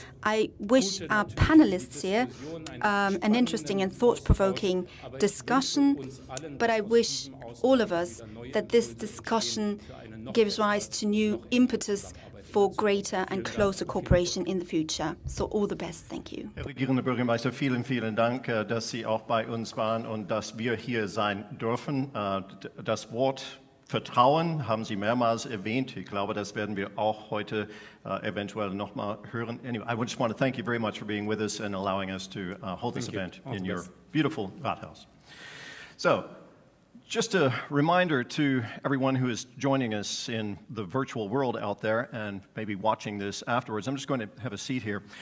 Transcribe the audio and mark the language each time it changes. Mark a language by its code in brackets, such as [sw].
[en] I wish our panelists here an interesting and thought-provoking discussion, but I wish all of us that this discussion gives rise to new impetus for greater and closer cooperation in the future. So all the best. Thank you. [de] Herr Regierender Bürgermeister, vielen, vielen Dank, dass Sie auch bei uns waren und dass wir hier sein dürfen. Das Wort Vertrauen haben Sie mehrmals erwähnt. Ich glaube, das werden wir auch heute eventuell noch mal hören. [en] Anyway, I just want to thank you very much for being with us and allowing us to hold this event in your beautiful Rathaus. So, just a reminder to everyone who is joining us in the virtual world out there and maybe watching this afterwards. I'm just going to have a seat here.